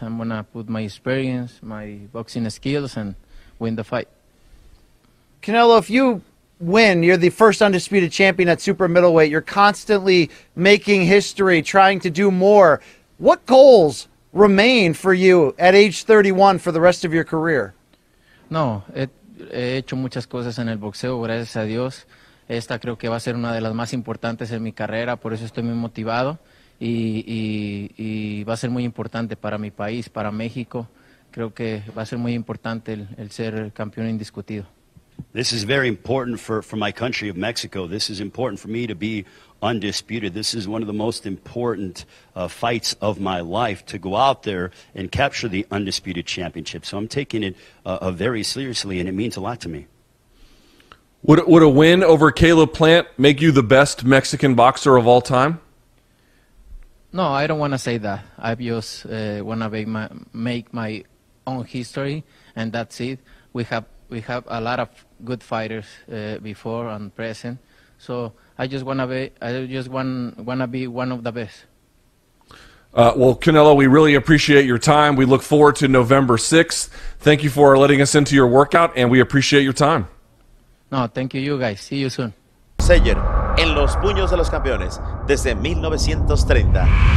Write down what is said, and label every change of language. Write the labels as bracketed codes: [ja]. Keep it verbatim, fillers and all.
[en] I'm gonna put my experience, my boxing skills, and win the fight. Canelo, if you win, you're the first undisputed champion at super middleweight. You're constantly making history, trying to do more. What goals remain for you at age thirty-one for the rest of your career? [es] No, he, he hecho muchas cosas en el boxeo, gracias a Dios. Esta creo que va a ser una de las más importantes en mi carrera, por eso estoy muy motivado. Y, y, y va a ser muy importante para mi país, para México. Creo que va a ser muy importante el, el ser campeón indiscutido. [en] This is very important for, for my country of Mexico. This is important for me to be undisputed. This is one of the most important uh, fights of my life, to go out there and capture the undisputed championship. So I'm taking it uh, uh, very seriously, and it means a lot to me. Would, would a win over Caleb Plant make you the best Mexican boxer of all time? No, I don't want to say that. I just uh, want to make my, make my own history, and that's it. We have we have a lot of good fighters uh, before and present, so I just wanna be, I just want wanna be one of the best. Uh, well, Canelo, we really appreciate your time. We look forward to November sixth. Thank you for letting us into your workout, and we appreciate your time. No, thank you, you guys. See you soon. [es] Sayer, en los puños de los campeones, desde mil novecientos treinta.